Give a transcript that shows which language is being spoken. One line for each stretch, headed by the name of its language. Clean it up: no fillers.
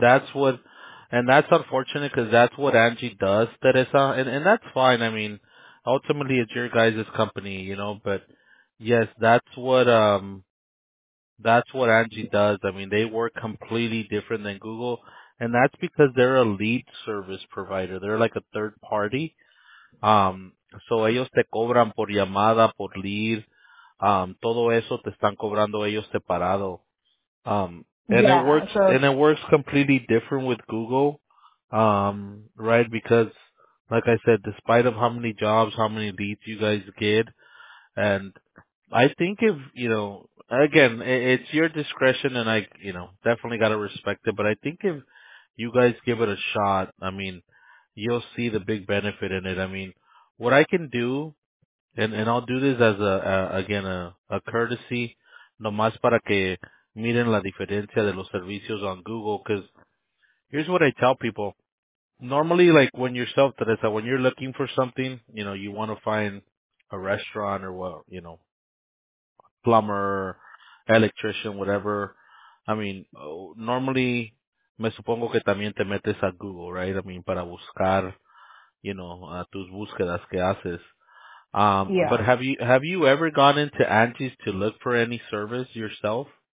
English: That's unfortunate, because that's what Angie does, Teresa. And that's fine. I mean, ultimately, it's your guys' company, you know. But, yes, that's what Angie does. I mean, they work completely different than Google. And that's because they're a lead service provider. They're like a third party.
Spanish: So ellos te cobran por llamada, por lead. Todo eso te están cobrando ellos separado.
English: And it works completely different with Google, right? Because, like I said, despite of how many jobs, how many leads you guys get, and I think if, you know, again, it's your discretion, and I, you know, definitely got to respect it, but I think if you guys give it a shot, I mean, you'll see the big benefit in it. I mean, what I can do, and I'll do this as a courtesy,
Spanish: nomás para que miren la diferencia de los servicios
English: on Google, because here's what I tell people. Normally, like when you're self, Teresa, when you're looking for something, you know, you want to find a restaurant or, well, you know, plumber, electrician, whatever. I mean, normally,
Spanish: me supongo que también te metes a Google, right? I mean, para buscar, you know, tus búsquedas que haces.
English: But have you ever gone into Angie's to look for any service yourself?